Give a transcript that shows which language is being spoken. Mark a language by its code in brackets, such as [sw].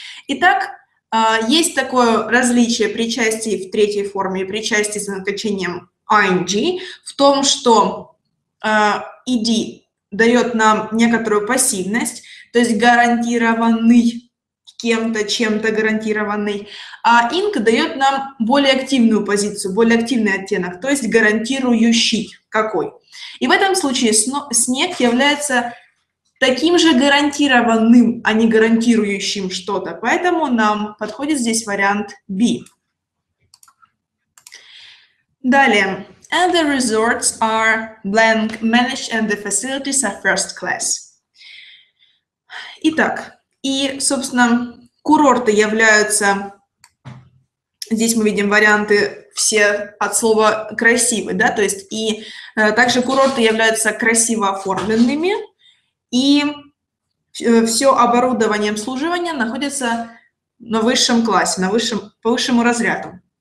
[ru] Итак, есть такое различие причастий в третьей форме и причастий с назначением ing в том, что ed дает нам некоторую пассивность, то есть гарантированный кем-то, чем-то гарантированный, а ing дает нам более активную позицию, более активный оттенок, то есть гарантирующий какой. И в этом случае снег является таким же гарантированным, а не гарантирующим что-то. Поэтому нам подходит здесь вариант B. Далее. [en] And the resorts are blank managed and the facilities are first class. [ru] Итак, и, собственно, курорты являются... Здесь мы видим варианты все от слова красивый, да? То есть и также курорты являются красиво оформленными. И все оборудование обслуживания находится на высшем классе, на высшем, по высшему разряду.